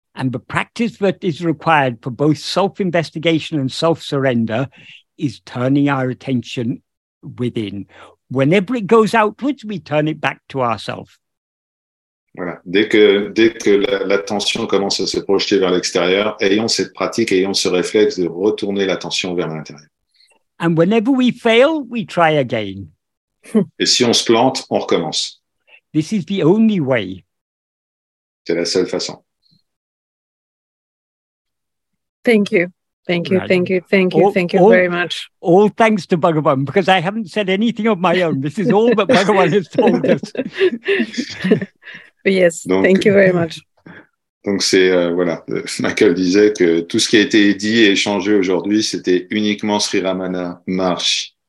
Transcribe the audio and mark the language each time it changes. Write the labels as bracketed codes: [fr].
[en] And the practice that is required for both self-investigation and self-surrender is turning our attention within. Whenever it goes outwards, we turn it back to ourselves. [fr] Voilà. Dès que l'attention commence à se projeter vers l'extérieur, ayons cette pratique, ayons ce réflexe de retourner l'attention vers l'intérieur. [en] And whenever we fail, we try again. [fr] Et si on se plante, on recommence. [en] This is the only way. [fr] C'est la seule façon. [en] Thank you. Thank you, thank you, thank you, thank you very much. All thanks to Bhagavan, because I haven't said anything of my own. This is all that Bhagavan has told us. Yes, donc, thank you very much. [fr] Donc c'est, Michael disait que tout ce qui a été dit et échangé aujourd'hui, c'était uniquement Sri Ramana Maharshi.